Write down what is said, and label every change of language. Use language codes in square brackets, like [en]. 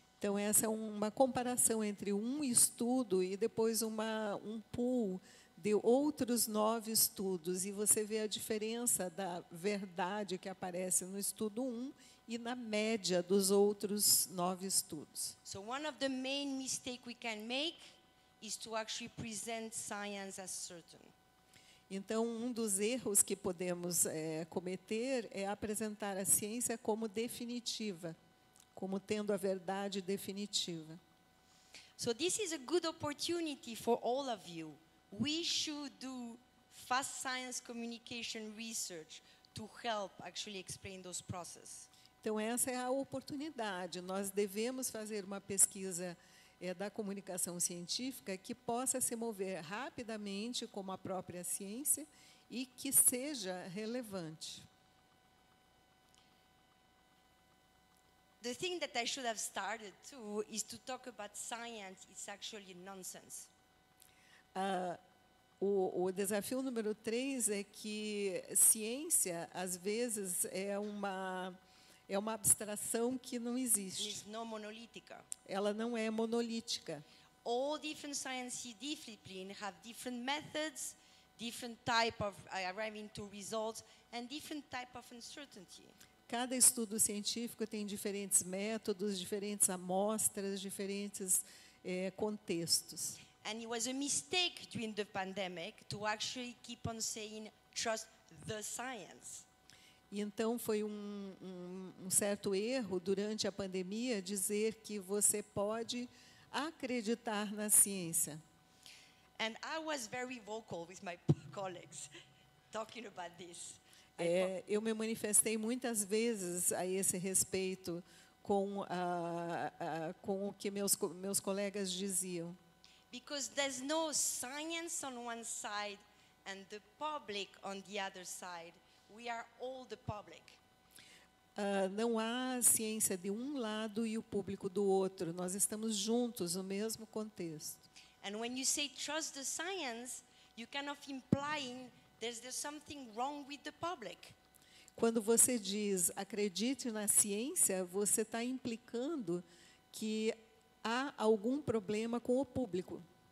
[pt] Então, essa é uma comparação entre um estudo e depois um pool de outros nove estudos, e você vê a diferença da verdade que aparece no estudo 1 e na média dos outros nove estudos. [en] So one of the main mistakes we can make is to actually present science as certain. [pt] Então, um dos erros que podemos cometer é apresentar a ciência como definitiva, como tendo a verdade definitiva. [en] So this is a good opportunity for all of you. We should do fast science communication research to help actually explain those processes. [pt] Então, essa é a oportunidade. Nós devemos fazer uma pesquisa da comunicação científica que possa se mover rapidamente como a própria ciência e que seja relevante. [en] The thing that I should have started too is to talk about science is actually nonsense. [pt] O desafio número 3 é que ciência, às vezes, é uma abstração que não existe. [en] It's not monolithic. [pt] Ela não é monolítica. [en] All different science disciplines have different methods, different type of arriving to results, and different type of uncertainty. [pt] Cada estudo científico tem diferentes métodos, diferentes amostras, diferentes contextos. [en] And it was a mistake during the pandemic to actually keep on saying trust the science. [pt] E então foi um certo erro durante a pandemia dizer que você pode acreditar na ciência. [en] And I was very vocal with my colleagues talking about this. [pt] Eu me manifestei muitas vezes a esse respeito com o que meus colegas diziam. [en] Because there's no science on one side and the public on the other side. We are all the public. [pt] Não há ciência de um lado e o público do outro. Nós estamos juntos no mesmo contexto. [en] And when you say trust the science, you kind of implying there's something wrong with the public. [pt] Quando você diz acredite na ciência, você está implicando que há algum problema com o público.